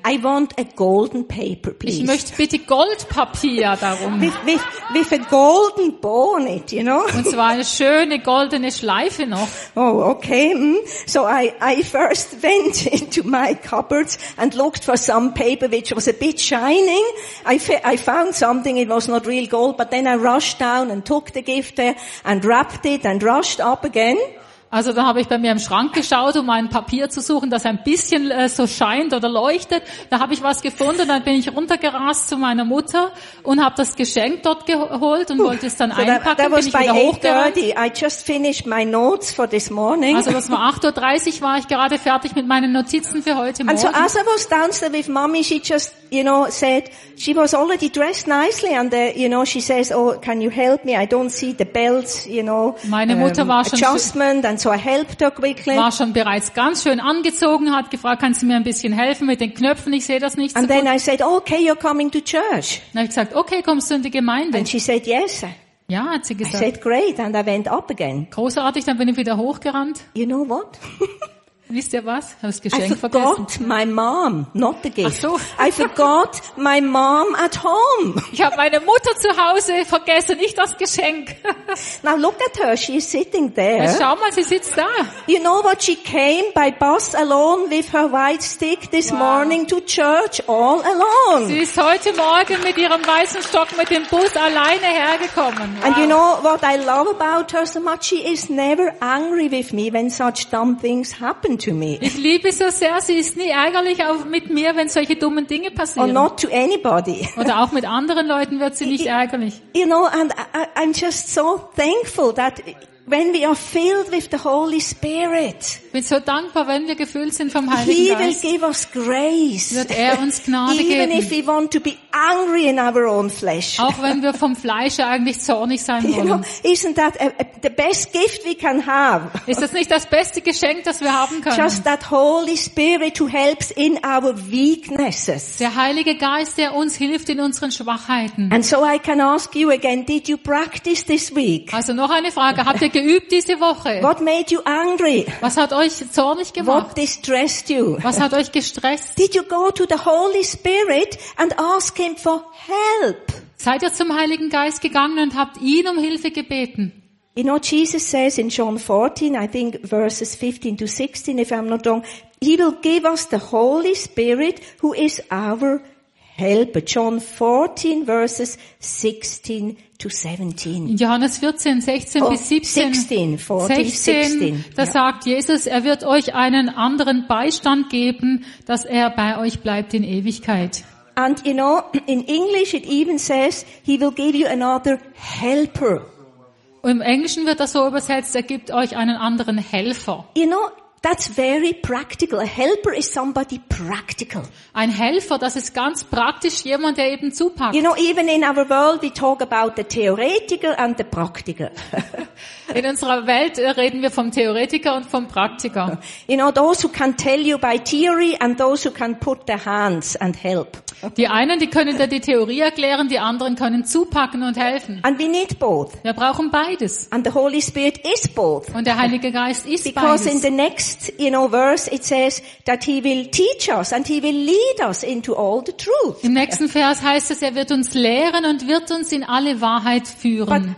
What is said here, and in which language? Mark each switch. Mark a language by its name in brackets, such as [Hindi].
[English] I want a golden paper, please. [German] Ich möchte bitte Goldpapier darum. [English] with a golden bow on it, you know. [German] Und zwar eine schöne goldene Schleife noch. [English] Oh, okay. So I first went into my cupboards and looked for some paper which was a bit shining. I found something, it was not real gold, but then I rushed down and took the gift there and wrapped it and rushed up again. [German] Also dann habe ich bei mir im Schrank geschaut, um ein Papier zu suchen, das ein bisschen so scheint oder leuchtet. Da habe ich was gefunden, dann bin ich runtergerast zu meiner Mutter und habe das Geschenk dort geholt und wollte es dann einpacken, bin ich wieder hochgerannt. [English] I just finished my notes for this morning. [German] Also das war 8.30 Uhr, war ich gerade fertig mit meinen Notizen für heute Morgen. [English] And so as I was downstairs with mommy, she just you know, said she was already dressed nicely, and you know, she says, "Oh, can you help me? I don't see the belt, you know." [German] Meine Mutter war schon [English] adjustment, and so I helped her quickly. [German] War schon bereits ganz schön angezogen, hat gefragt, kannst du mir ein bisschen helfen mit den Knöpfen? Ich sehe das nicht [English] and [German] so gut. [English] And then I said, "Okay, you're coming to church." [German] Dann habe ich gesagt, okay, kommst du in die Gemeinde? [English] And she said, "Yes." [German] Ja, hat sie gesagt. [English] I said, "Great," and I went up again. [German] Großartig, dann bin ich wieder hochgerannt. [English] You know what? [German] Wisst ihr was? Ich habe das Geschenk vergessen. [English] I forgot my mom, not the gift. [German] Ach so. [English] I forgot my mom at home. [German] Ich habe meine Mutter zu Hause vergessen, nicht das Geschenk. [English] Now look at her, she is sitting there. [German] Ja, schau mal, sie sitzt da. [English] You know what? She came by bus alone with her white stick this wow. morning to church all alone. [German] Sie ist heute Morgen mit ihrem weißen Stock mit dem Bus alleine hergekommen. [English] Wow. And you know what I love about her so much? She is never angry with me when such dumb things happen. To me. [German] Ich liebe so sehr, sie ist nie ärgerlich auch mit mir, wenn solche dummen Dinge passieren. [English] Or not to anybody. [German] Oder auch mit anderen Leuten wird sie nicht ärgerlich. [English] You know, and I'm just so thankful that when we are filled with the Holy Spirit. [German] Ich bin so dankbar, wenn wir gefüllt sind vom Heiligen Geist. [English] He will give us grace. [German] Wird er uns Gnade [English] even [German] geben. [English] If we want to be angry in our own flesh. [German] Auch wenn wir vom Fleisch eigentlich zornig sein wollen. [English] You know, isn't that the best gift we can have? [German] Ist das nicht das beste Geschenk, das wir haben können? [English] Just that Holy Spirit who helps in our weaknesses. [German] Der Heilige Geist, der uns hilft in unseren Schwachheiten. [English] And so I can ask you again, did you practice this week? [German] Also noch eine Frage, habt ihr geübt diese Woche? [English] What made you angry? [German] Was hat euch zornig gemacht? [English] What distressed you? [German] Was hat euch gestresst? [English] Did you go to the Holy Spirit and ask came for help. [German] Seid ihr zum Heiligen Geist gegangen und habt ihn um Hilfe gebeten? [English] You know, Jesus says in John 14, I think verses 15 to 16, if I'm not wrong, he will give us the Holy Spirit who is our helper. John 14, verses 16 to 17. [German] In Johannes 14, 16 oh, bis 17. [English] 16, 14, 16. 16 da yeah. [German] sagt Jesus, er wird euch einen anderen Beistand geben, dass er bei euch bleibt in Ewigkeit. [English] And you know, in English it even says, he will give you another helper. [German] Im Englischen wird das so übersetzt, er gibt euch einen anderen Helfer. [English] You know, that's very practical. A helper is somebody practical. [German] Ein Helfer, das ist ganz praktisch, jemand, der eben zupackt. [English] You know, even in our world we talk about the theoretical and the practical. [German] In unserer Welt reden wir vom Theoretiker und vom Praktiker. [English] You know, those who can tell you by theory and those who can put their hands and help. [German] Die einen, die können dir die Theorie erklären, die anderen können zupacken und helfen. [English] And we need both. [German] Wir brauchen beides. [English] And the Holy Spirit is both. [German] Und der Heilige Geist ist beides. [English] Because in the next, you know, verse it says that he will teach us and he will lead us into all the truth. [German] Im nächsten Vers heißt es, er wird uns lehren und wird uns in alle Wahrheit führen.